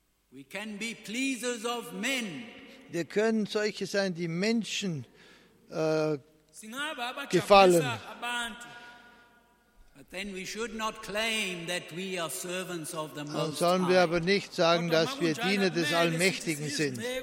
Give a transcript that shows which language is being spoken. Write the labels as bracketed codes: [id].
[en] We can be pleasers of men. [de] Wir können solche sein, die Menschen gefallen. [en] But then we should not claim that we are servants of the Most High. [de] Dann sollen wir aber nicht sagen, dass wir Diener des Allmächtigen sind.